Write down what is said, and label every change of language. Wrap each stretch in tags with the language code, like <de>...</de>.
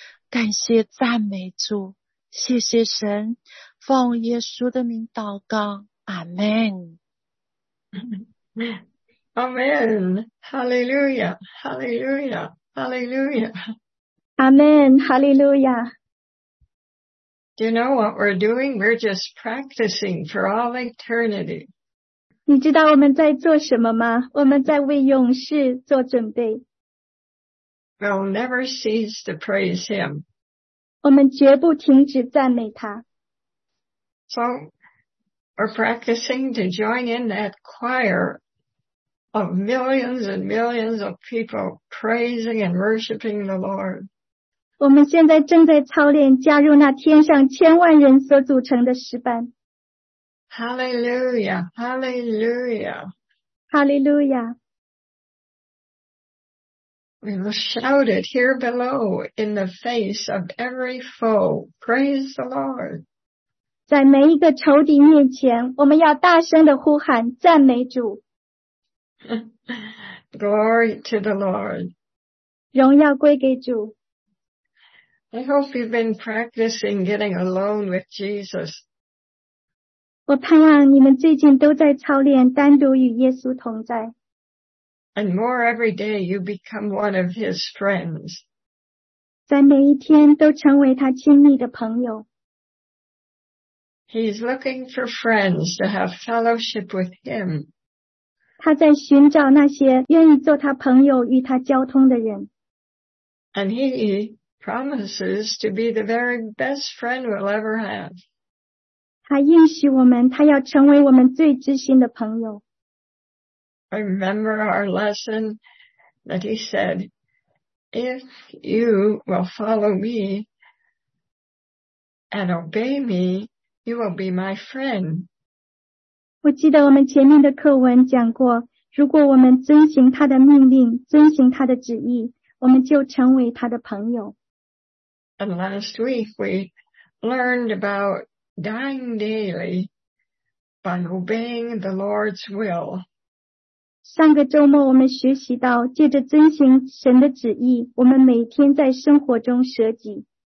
<zh>感谢赞美主，谢谢神，奉耶稣的名祷告，阿们。阿们，哈利路亚，哈利路亚，哈利路亚，阿们，哈利路亚。</zh> <en>Do you know what we're doing? We're just practicing for all eternity.</en> <zh>你知道我们在做什么吗？我们在为永世做准备。</zh> <en>We'll never cease to praise Him.</en> <zh>我们绝不停止赞美他。</zh> <en>So, we're practicing to join in that choir. Of millions and millions of people praising and worshiping the Lord.</en> <zh>我们现在正在操练加入那天上千万人所组成的诗班。</zh> <en>Hallelujah, hallelujah. Hallelujah. We will shout it here below in the face of every foe. Praise the Lord.</en> <zh>在每一个仇敌面前，我们要大声地呼喊赞美主。</zh> <en>Glory to the Lord.</en> <zh>荣耀归给主。</zh> <en>I hope you've been practicing getting alone with Jesus.</en> <zh>我盼望你们最近都在操练单独与耶稣同在。</zh> <en>And more every day you become one of his friends.</en> <zh>在每一天都成为他亲密的朋友。</zh> <en>He's looking for friends to have fellowship with him.</en> <zh>他在寻找那些愿意做他朋友与他交通的人。</zh> <en>And he promises to be the very best friend we'll ever have.</en> <zh>他应许我们，他要成为我们最知心的朋友。</zh> <en>I remember our lesson that he said, if you will follow me and obey me, you will be my friend.</en> <zh>我记得我们前面的课文讲过，如果我们遵行他的命令，遵行他的旨意，我们就成为他的朋友。</zh> <en>And last week we learned about dying daily by obeying the Lord's will.</en> <zh>上个周末我们学习到，借着遵行神的旨意，我们每天在生活中舍己。</zh>